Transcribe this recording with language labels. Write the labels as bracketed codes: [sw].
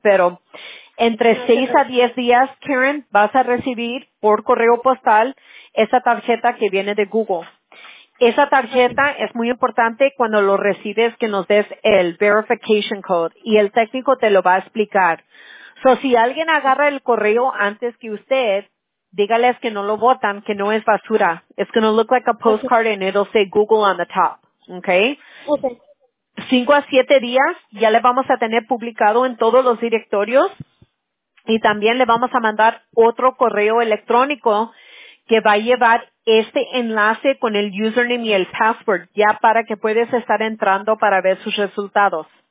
[es] Pero entre 6 a 10 días, Karen, vas a recibir por correo postal esa tarjeta que viene de Google. Esa tarjeta es muy importante cuando lo recibes que nos des el verification code y el técnico te lo va a explicar. So, si alguien agarra el correo antes que usted, dígales que no lo botan, que no es basura. [en] It's going to look like a postcard and it'll say Google on the top. Okay. Okay. [es] 5 a 7 días ya le vamos a tener publicado en todos los directorios y también le vamos a mandar otro correo electrónico que va a llevar este enlace con el username y el password ya para que puedas estar entrando para ver sus resultados.